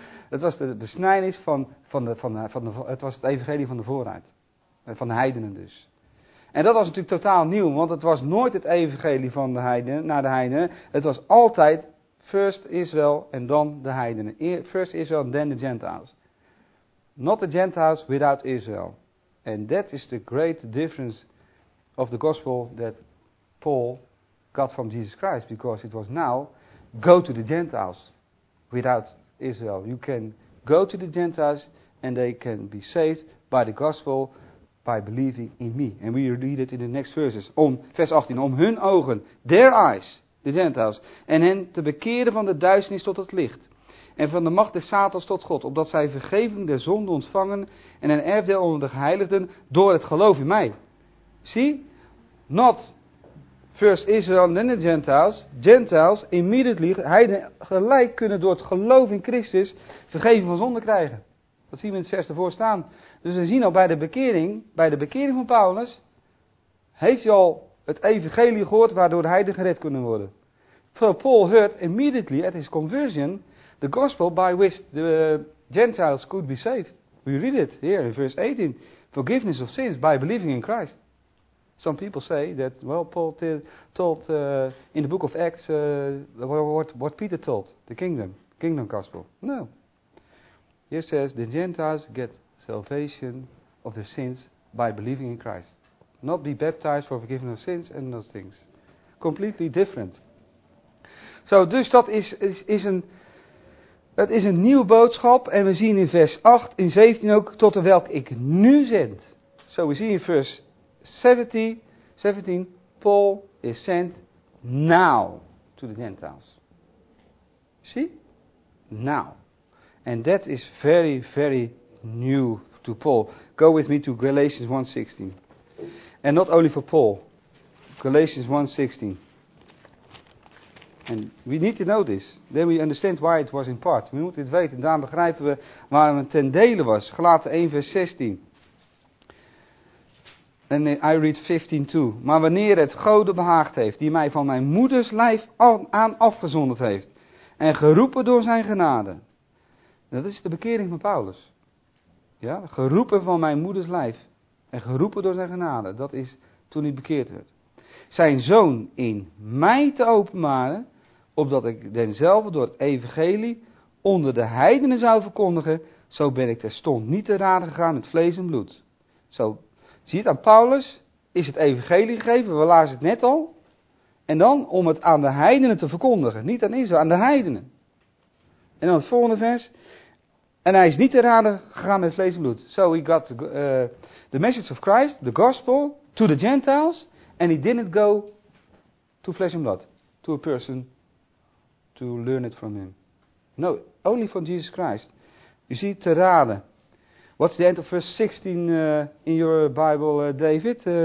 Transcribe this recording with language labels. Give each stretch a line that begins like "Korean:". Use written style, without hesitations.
Dutch: Het was de besnijdenis het was het evangelie van de vooruit. Van de heidenen dus. En dat was natuurlijk totaal nieuw, want het was nooit het evangelie van de heidenen naar de heidenen. Het was altijd first Israel en dan de heidenen.
English: First Israel en then the Gentiles. Not the Gentiles without Israel. And that is the great difference of the gospel that Paul got from Jesus Christ. Because it was now, go to the Gentiles without Israel. You can go to the Gentiles and they can be saved by the gospel, by believing in me. And we read it in the next verses.
Dutch: Vers 18. Om hun ogen,
English: their eyes,
Dutch: de Gentiles, en hen te bekeren van de duisternis tot het licht. En van de macht des Satans tot God, opdat zij vergeving der zonde ontvangen en een erfdeel onder de geheiligden door het geloof in mij. See?
English: Not first Israel, then the Gentiles. Gentiles, immediately,
Dutch: heiden gelijk kunnen door het geloof in Christus vergeving van zonde krijgen. Dat zien we in het zesde voor staan. Dus we zien al bij de bekering van Paulus, heeft hij al het evangelie gehoord waardoor de heiden gered kunnen worden.
English: For Paul heard immediately at his conversion the gospel by which the Gentiles could be saved. We read it here in verse 18. Forgiveness of sins by believing in Christ. Some people say that, well, Paul told in the book of Acts what Peter told, the kingdom gospel. No. He says the Gentiles get salvation of their sins by believing in Christ. Not be baptized for forgiveness of sins and those things. Completely different. So,
Dutch: dus dat is een... Het is een nieuwe boodschap en we zien in vers 8, in 17 ook, tot de welk ik nu zend.
English: So
Dutch: we zien in vers 17,
English: Paul is sent now to the Gentiles. See? Now. And that is very, very new to Paul. Go with me to Galatians 1:16. And not only for Paul. Galatians 1:16. And we need to know this. Then we understand why it was in part.
Dutch: We moeten het weten. Daarom begrijpen we waarom het ten dele was. Galaten 1 vers 16.
English: And I read 15 too.
Dutch: Maar wanneer het God behaagd heeft, die mij van mijn moeders lijf aan afgezonderd heeft, en geroepen door zijn genade. Dat is de bekering van Paulus. Ja, geroepen van mijn moeders lijf. En geroepen door zijn genade. Dat is toen hij bekeerd werd. Zijn zoon in mij te openbaren, opdat ik denzelfde door het evangelie onder de heidenen zou verkondigen, zo ben ik terstond niet te raden gegaan met vlees en bloed. Zo, zie je het, aan Paulus is het evangelie gegeven, we lazen het net al, en dan om het aan de heidenen te verkondigen, niet aan Israël, aan de heidenen. En dan het volgende vers, en hij is niet te raden gegaan met vlees en bloed.
English: So he got the message of Christ, the gospel, to the Gentiles, and he didn't go to flesh and blood, to a person to learn it from him. No, only from Jesus Christ. You see,
Dutch: te raden.
English: What's the end of verse 16 in your Bible, David?